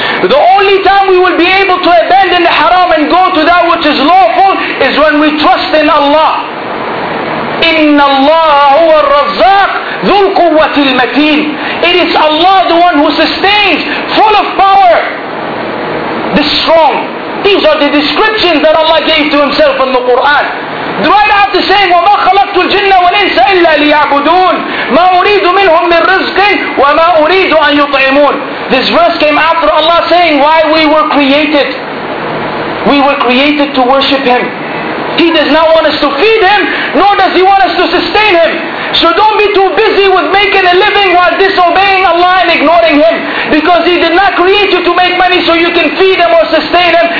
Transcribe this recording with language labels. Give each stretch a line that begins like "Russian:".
English: The only time we will be able to abandon the haram and go to that which is lawful is when we trust in Allah.
Arabic: إِنَّ اللَّهَ هُوَ الرَّزَّاقُ ذُو الْقُوَّةِ الْمَتِينَ.
English: It is Allah the one who sustains, full of power, the strong. These are the descriptions that Allah gave to Himself in the Quran. Right after saying,
Arabic: وَمَا خَلَقْتُ الْجِنَّ وَالْإِنسَ إِلَّا لِيَعْبُدُونَ مَا أُرِيدُ مِنْهُمْ مِنْ رِزْقٍ وَمَا أُرِيدُ أَنْ يُطْعِمُونَ.
English: This verse came after Allah saying, why we were created. We were created to worship Him. He does not want us to feed Him, nor does He want us to sustain Him. So don't be too busy with making a living while disobeying Allah and ignoring Him. Because He did not create you to make money so you can feed Him or sustain Him.